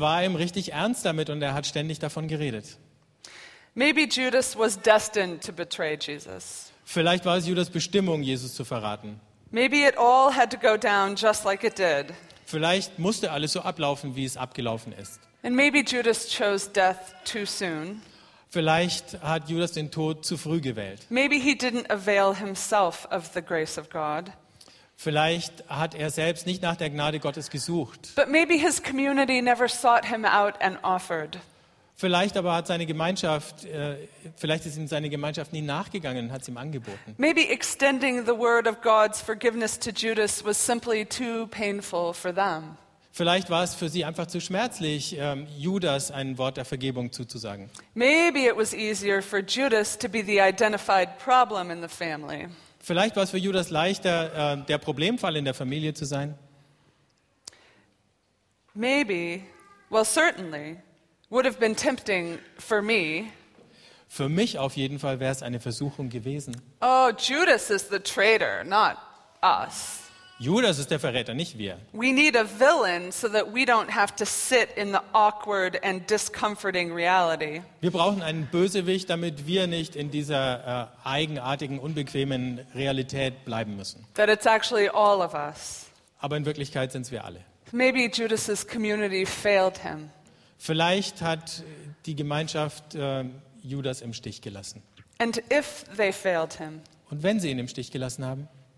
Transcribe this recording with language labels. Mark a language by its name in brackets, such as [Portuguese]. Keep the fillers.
[German] war ihm richtig ernst damit und er hat ständig davon geredet. [English] Maybe Judas was destined to betray Jesus. [German] Vielleicht war es Judas Bestimmung, Jesus zu verraten. [English] Maybe it all had to go down just like it did. [German] Vielleicht musste alles so ablaufen, wie es abgelaufen ist. [English] And maybe Judas chose death too soon. [German] Vielleicht hat Judas den Tod zu früh gewählt. [English] Maybe he didn't avail himself of the grace of God. [German] Vielleicht hat er selbst nicht nach der Gnade Gottes gesucht. [English] But maybe his community never sought him out and offered. [German] Vielleicht aber hat seine Gemeinschaft, äh, vielleicht ist ihm seine Gemeinschaft nie nachgegangen, hat es ihm angeboten. [English] Maybe extending the word of God's forgiveness to Judas was simply too painful for them. [German] Vielleicht war es für sie einfach zu schmerzlich, äh, Judas ein Wort der Vergebung zuzusagen. [English] Maybe it was easier for Judas to be the identified problem in the family. [German] Vielleicht war es für Judas leichter, äh, der Problemfall in der Familie zu sein. [English] Maybe, well, certainly. Would have been tempting for me. [German] Für mich auf jeden Fall wäre es eine Versuchung gewesen. [English] Oh, Judas is the traitor, not us. [German] Judas ist der Verräter, nicht wir. [English] We need a villain so that we don't have to sit in the awkward and discomforting reality. [German] Wir brauchen einen Bösewicht, damit wir nicht in dieser äh, eigenartigen, unbequemen Realität bleiben müssen. [English] It's actually all of us. [German] Aber in Wirklichkeit sind es wir alle. [English] Maybe Judas's community failed him. [German] Vielleicht hat die Gemeinschaft äh, Judas im Stich gelassen. [English] Him, [German] und wenn sie ihn im Stich gelassen haben,